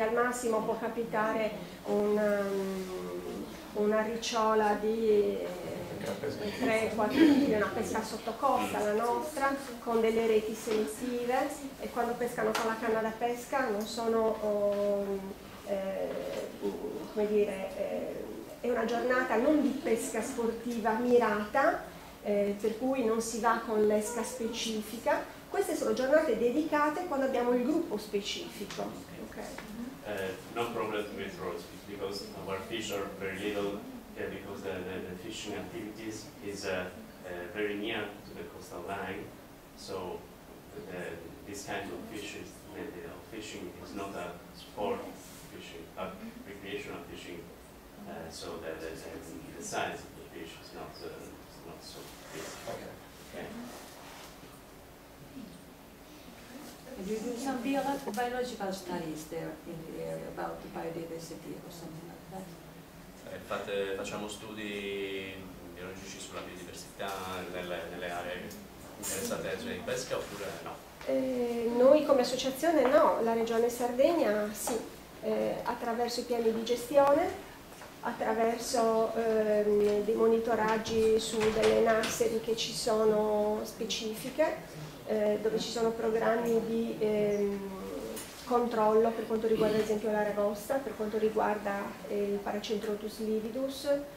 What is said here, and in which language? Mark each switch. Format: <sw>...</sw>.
<it>al massimo può capitare una ricciola di 3-4 kg, una pesca sotto costa, la nostra, con delle reti sensive, e quando pescano con la canna da pesca non sono, è una giornata non di pesca sportiva mirata, per cui non si va con l'esca specifica. Queste sono giornate dedicate quando abbiamo il gruppo specifico.</it> <en>No problem with rods, because our fish are very little, because the fishing activities is very near to the coastal line, so this kind of fishing, fishing is not a sport fishing, but recreational fishing. So the size of the fish is not so big. Okay. Do you do some biological studies there in the area about the biodiversity or something like that?</en> <it>Facciamo studi biologici sulla biodiversità nelle aree interessate in pesca oppure no? Noi come associazione no, la regione Sardegna sì, attraverso i piani di gestione, attraverso dei monitoraggi su delle nursery che ci sono specifiche, dove ci sono programmi di controllo per quanto riguarda ad esempio la ragosta, per quanto riguarda il Paracentrotus lividus.</it>